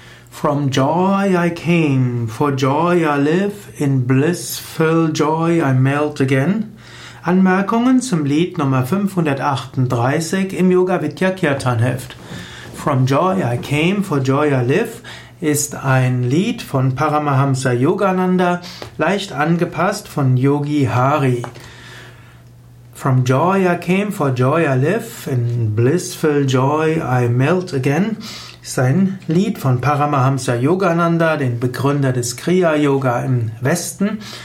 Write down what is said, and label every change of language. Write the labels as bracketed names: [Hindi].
[English] From joy I came, for joy I live, in blissful joy I melt again. [German] Anmerkungen zum Lied Nummer 538 im Yoga-Vidya-Kirtan-Heft. [English] From joy I came, for joy I live, [German] ist ein Lied von Paramahamsa Yogananda, leicht angepasst von Yogi Hari. [English] From joy I came, for joy I live, in blissful joy I melt again. [German] Sein Lied von Paramahamsa Yogananda, den Begründer des Kriya-Yoga im Westen.